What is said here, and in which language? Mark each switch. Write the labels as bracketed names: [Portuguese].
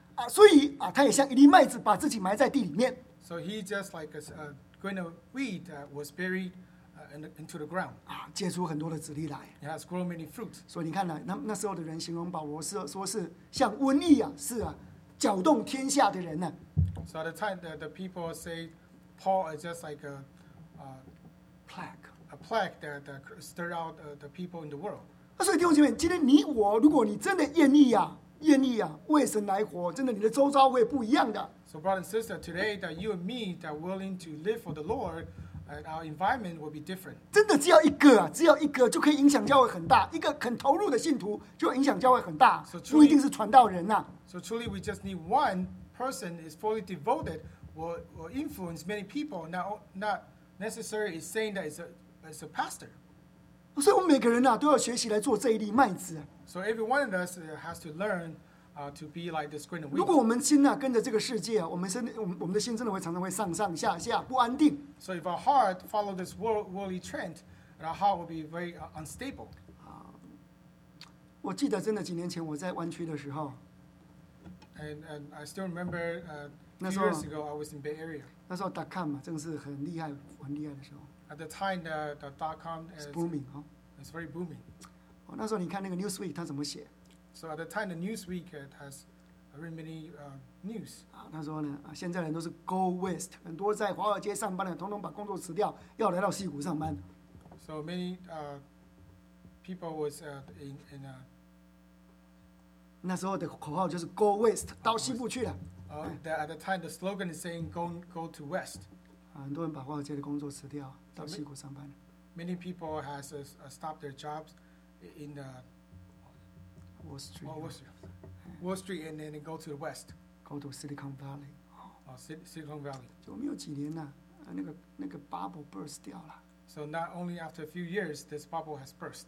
[Chinese] 啊，所以啊，他也像一粒麦子，把自己埋在地里面。 [English] So he just like a grain of wheat that was buried into the ground. [Chinese] 啊，结出很多的籽粒来。 [English] He has grown many fruits. [Chinese] 所以你看呢，那时候的人形容保罗是说是像瘟疫啊，是啊，搅动天下的人呢。 [English] So at the time the people say Paul is just like a plague that stirred out the people in the world. [Chinese] 所以弟兄姐妹，今天你我，如果你真的愿意呀、啊，愿意呀、啊，为神来活，真的，你的周遭会不一样的。 [English] So brother and sister, today that you and me that willing to live for the Lord, our environment will be different. [Chinese] 真的，只要一个啊，只要一个就可以影响教会很大。一个肯投入的信徒，就影响教会很大。 [English] So truly, [Chinese] 不一定是传道人呐、啊。 [English] So truly, we just need one person is fully devoted will influence many people. Not necessarily is saying that it's a pastor. [Chinese] 所以我们每个人、啊、都要学习来做这一粒麦子。 [English] So every one of us has to learn to be like this grain of wheat. [Chinese] 如果我们心、啊、跟着这个世界、啊、我们的心真的会常常会上上下下不安定。 [English] So if our heart follows this worldly trend, our heart will be very unstable. [Chinese] 我记得真的几年前我在湾区的时候。 [English] And I still remember years ago I was in Bay Area. [Chinese] 那时候 .com 真的是很厉害很厉害的时候。 [English] At the time, the dot-com is booming. It's very booming. [Chinese] 哦，那时候你看那个 Newsweek 它怎么写 [English] ？So at the time, the Newsweek it has very many news. [Chinese] 啊，那时候呢，啊，现在人都是 [English] go west， [Chinese] 很多在华尔街上班的，统统把工作辞掉，要来到硅谷上班。 [English] So many people was in a. [Chinese] 那时候的口号就是 [English] go west， [Chinese] 到硅谷去了。 [English] At the time, the slogan is saying go to west. [Chinese] 很多人把华尔街的工作辞掉，到硅谷上班。 [English] Many people has stopped their jobs in the Wall Street. Wall Street, and then they go to the West. Go to Silicon Valley. Silicon Valley. [Chinese] 就没有几年呐、啊，那个 [English] bubble burst [Chinese] 掉了。 [English] So not only after a few years, this bubble has burst.